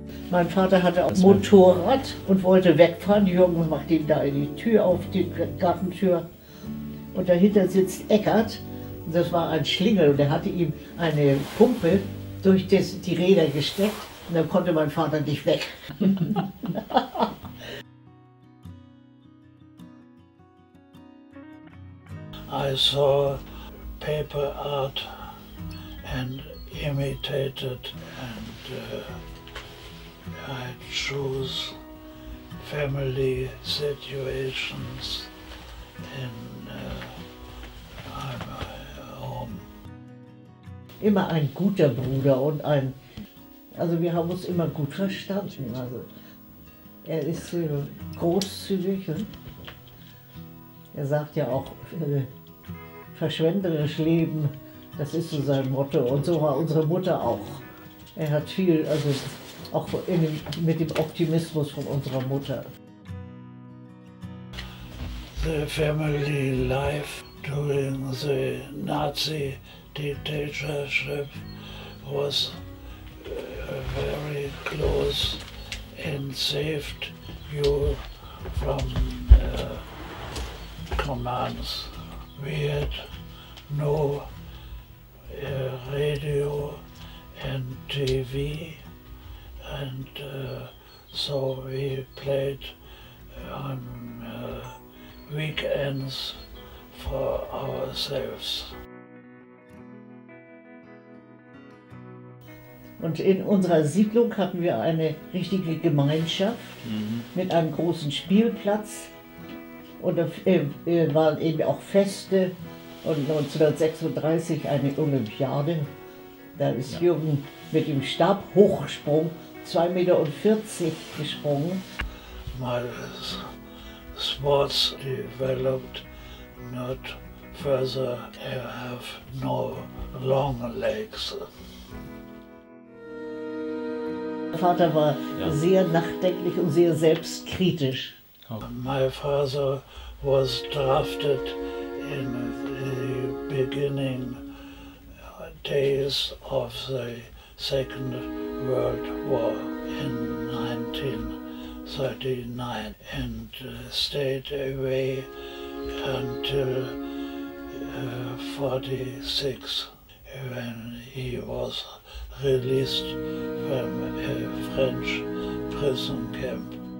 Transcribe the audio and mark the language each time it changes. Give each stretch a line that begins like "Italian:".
German: Mein Vater hatte auch Motorrad und wollte wegfahren. Jürgen macht ihm da die Tür auf, die Gartentür. Und dahinter sitzt Eckart. Und das war ein Schlingel. Und er hatte ihm eine Pumpe durch die Räder gesteckt. Und dann konnte mein Vater nicht weg.
English: I saw paper art and imitated and I choose family situations in my home.
German: Immer ein guter Bruder und ein, also wir haben uns immer gut verstanden. Also er ist großzügig. Er sagt ja auch verschwenderisch leben, das ist so sein Motto. Und so war unsere Mutter auch. Er hat viel, also auch mit dem Optimismus von unserer Mutter.
English: The family life during the Nazi dictatorship was very close and saved you from commands. We had no radio and TV. And so we played on weekends for ourselves.
German: Und in unserer Siedlung hatten wir eine richtige Gemeinschaft mit einem großen Spielplatz. Und da waren eben auch Feste. Und 1936 eine Olympiade. Da ist Jürgen mit dem Stab hochgesprungen. 2,40 Meter gesprungen.
English: My sports developed not further. I have no long legs.
German: Mein Vater war sehr nachdenklich und sehr selbstkritisch.
English: Okay. My father was drafted in the beginning days of the Second World War in 1939 and stayed away until 46 when he was released from a French prison camp.